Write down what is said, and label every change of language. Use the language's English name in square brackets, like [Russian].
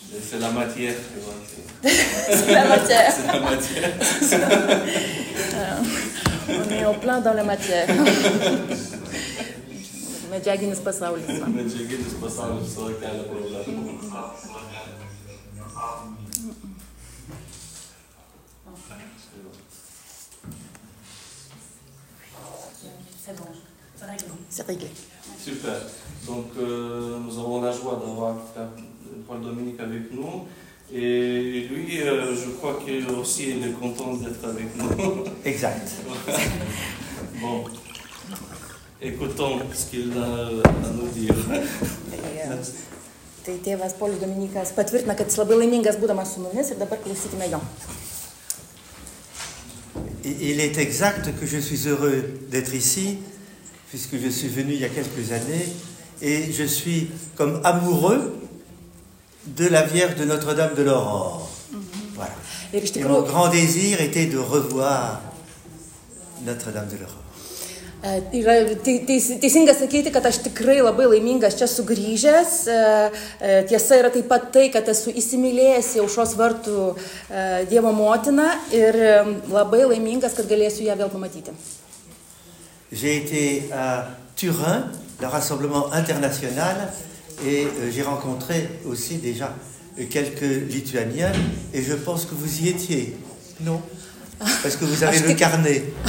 [French] C'est la matière. C'est la matière. On est en plein dans la matière. [Lithuanian] Medžiaginis pasaulis. Medžiaginis pasaulis su kelio problemų. [French] Super. Donc nous avons la joie d'avoir Paul Dominique avec nous. Et lui, je crois qu'il aussi il est content d'être avec nous. Exact. Bon. Écoutons ce qu'il a à nous dire. [Lithuanian] Tai tėvas Paulius Dominikas patvirtina, kad jis labai laimingas būdamas su mumis ir dabar klausykime jo. [French] Il est exact que je suis heureux d'être ici, puisque je suis venu il y a quelques années, et je suis comme amoureux de la Vierge de Notre-Dame de l'Aurore. Mm-hmm. Voilà. Et mon grand désir était de revoir Notre-Dame de l'Aurore. [Lithuanian] Yra teisinga sakyti, kad aš tikrai labai laimingas čia sugrįžęs. Tiesa yra taip pat tai, kad esu įsimylėjęs Aušros vartų Dievo motiną ir labai laimingas, kad galėsiu ją vėl pamatyti. [French] J'ai été à Turin, le Rassemblement International, et j'ai rencontré aussi déjà quelques Lituaniens, et je pense que vous y étiez. Non. Parce que vous avez le carnet.